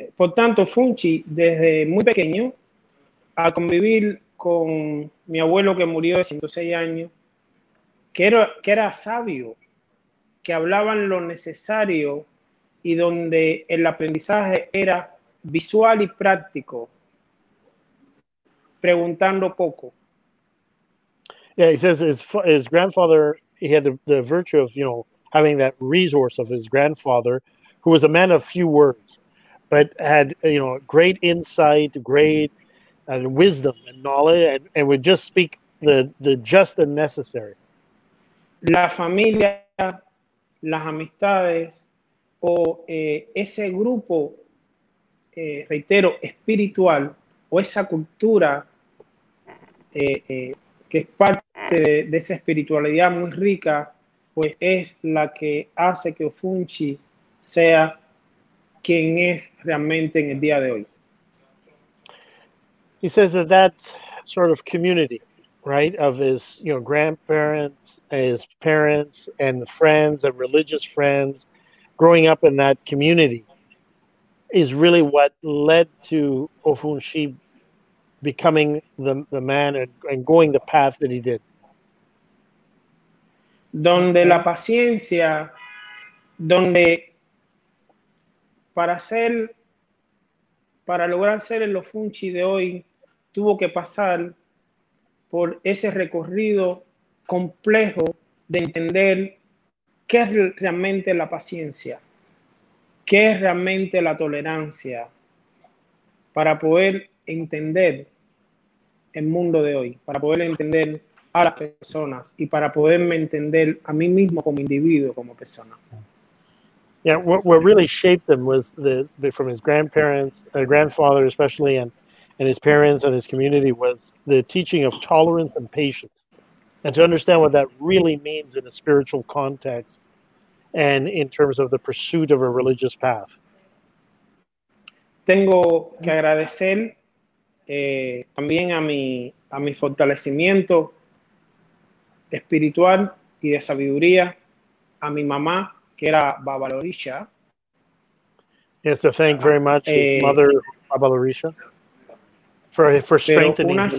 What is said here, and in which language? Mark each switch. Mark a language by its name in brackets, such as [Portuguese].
[Spanish] Por tanto, Funchi, desde muy pequeño, a convivir con mi abuelo que murió de 106 años, que era sabio, que hablaban lo necesario y donde el aprendizaje era visual y práctico, preguntando poco. [English] Yeah, he says his grandfather, he had the virtue of, you know, having that resource of his grandfather, who was a man of few words, but had, you know, great insight, great wisdom and knowledge, and would just speak the just and necessary. [Spanish] La familia, las amistades, o ese grupo, reitero, espiritual, o esa cultura que es parte de esa espiritualidad muy rica, pues es la que hace que Funchi sea quien es realmente en el día de hoy. [English] He says that that sort of community, right, of his, you know, grandparents, his parents, and friends, and religious friends, growing up in that community, is really what led to Ofunchi becoming the man and going the path that he did. [Spanish] Donde la paciencia, donde para lograr ser el Ofunchi de hoy, tuvo que pasar por ese recorrido complejo de entender qué es realmente la paciencia, qué es realmente la tolerancia, para poder entender el mundo de hoy, para poder entender a las personas y para poderme entender a mí mismo como individuo, como persona. [English] Yeah, what really shaped him was the from his grandparents, grandfather especially, and his parents and his community was the teaching of tolerance and patience. And to understand what that really means in a spiritual context and in terms of the pursuit of a religious path. [Spanish] Tengo que agradecer también a mi fortalecimiento espiritual y de sabiduría a mi mamá, que era Baba Lorisha. [English] Yes, thank very much, Mother Baba Lorisha, for strengthening.